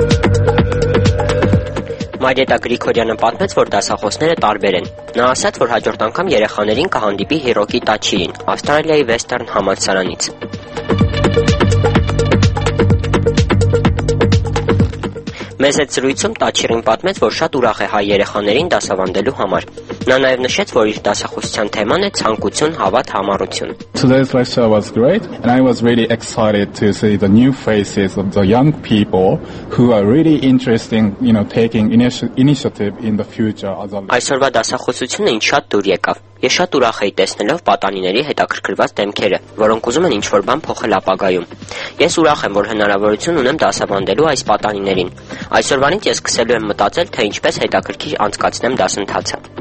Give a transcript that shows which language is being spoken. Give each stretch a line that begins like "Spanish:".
Armenian: Մարիետա Գրիգորյանը պատմեց, որ դասախոսները տարբեր են։ Նա ասաց, որ հաջորդ անգամ երեխաներին կհանդիպի Հիրոկի Տաչիին, Ավստրալիայի Western համալսարանից։ Մեզ այդ զրույցում Տաչիրին պատմեց, որ շատ ուրախ է հայ երեխաներին դասավանդելու համար։ Նա նաև նշեց, որ իր դասախոսության թեման է ցանկություն, հավատ, համառություն։
English: Today's lecture was great and I was really excited to see the new faces of the young people who are really interesting, you know, taking initiative in the future as a leader.
Armenian: Այսօրվա դասախոսությունը ինձ շատ դուր եկավ։ Ես շատ ուրախ եի տեսնելով պատանիների հետաքրքրված դեմքերը, որոնք ուզում են ինչ-որ բան փոխել ապագայում։ Ես ուրախ եմ, որ հնարավորություն ունեմ դասավանդելու այս պատանիներին։ Այսօրվանից ես սկսելու եմ մտածել, թե ինչպես հետաքրքիր անցկացնեմ դասընթացը։